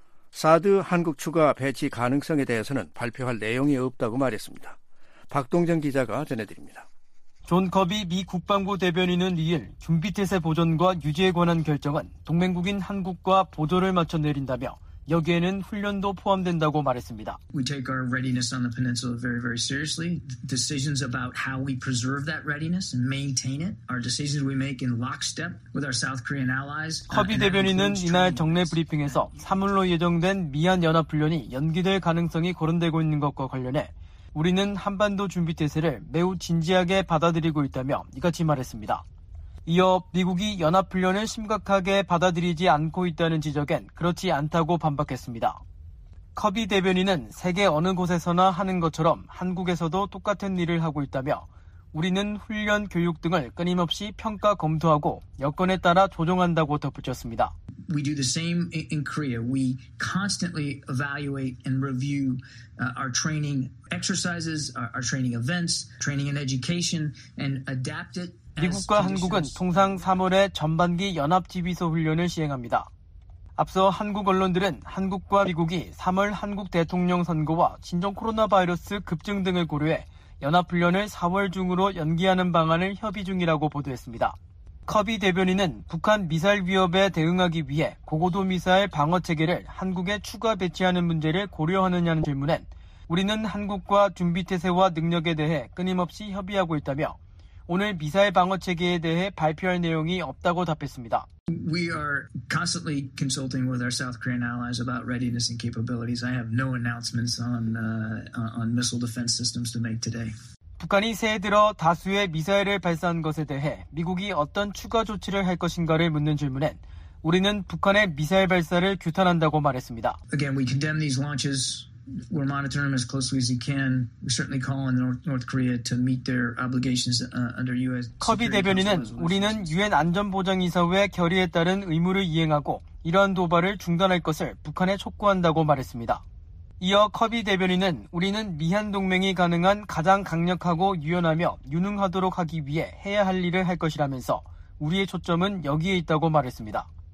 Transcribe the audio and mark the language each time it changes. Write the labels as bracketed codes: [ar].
[ko] 사드 한국 추가 배치 가능성에 대해서는 발표할 내용이 없다고 말했습니다. 박동정 기자가 전해드립니다. 존 커비 미 국방부 대변인은 2일 준비태세 보존과 유지에 관한 결정은 동맹국인 한국과 보조를 맞춰 내린다며 여기에는 훈련도 포함된다고 말했습니다. [en] We take our readiness on the peninsula very, very seriously. Decisions about how we preserve that readiness and maintain it are decisions we make in lockstep with our South Korean allies. [ko] 커비 대변인은 이날 정례 브리핑에서 3월로 예정된 미한 연합훈련이 연기될 가능성이 거론되고 있는 것과 관련해 우리는 한반도 준비태세를 매우 진지하게 받아들이고 있다며 이같이 말했습니다. 이어 미국이 연합훈련을 심각하게 받아들이지 않고 있다는 지적엔 그렇지 않다고 반박했습니다. 커비 대변인은 세계 어느 곳에서나 하는 것처럼 한국에서도 똑같은 일을 하고 있다며 우리는 훈련, 교육 등을 끊임없이 평가 검토하고 여건에 따라 조정한다고 덧붙였습니다. [en] We do the same in Korea. We constantly evaluate and review our training exercises, our training events, training and education, and adapt it. [ko] 미국과 한국은 통상 3월에 전반기 연합지휘소 훈련을 시행합니다. 앞서 한국 언론들은 한국과 미국이 3월 한국 대통령 선거와 신종 코로나 바이러스 급증 등을 고려해 연합훈련을 4월 중으로 연기하는 방안을 협의 중이라고 보도했습니다. 커비 대변인은 북한 미사일 위협에 대응하기 위해 고고도 미사일 방어체계를 한국에 추가 배치하는 문제를 고려하느냐는 질문엔 우리는 한국과 준비태세와 능력에 대해 끊임없이 협의하고 있다며 오늘 미사일 방어 체계에 대해 발표할 내용이 없다고 답했습니다. [en] We are constantly consulting with our South Korean allies about readiness and capabilities. I have no announcements on missile defense systems to make today. [ko] 북한이 새해 들어 다수의 미사일을 발사한 것에 대해 미국이 어떤 추가 조치를 할 것인가를 묻는 질문엔 우리는 북한의 미사일 발사를 규탄한다고 말했습니다. [en] Again, we condemn these launches. We're monitoring them as closely as we can. We certainly call on North Korea to meet their obligations under U.S. [ko] 커비 대변인은 우리는 유엔 안전보장이사회 결의에 따른 의무를 이행하고 이러한 도발을 중단할 것을 북한에 촉구한다고 말했습니다. 이어 커비 대변인은 우리는 미한 동맹이 가능한 가장 강력하고 유연하며 유능하도록 하기 위해 해야 할 일을 할 것이라면서 우리의 초점은 여기에 있다고 말했습니다.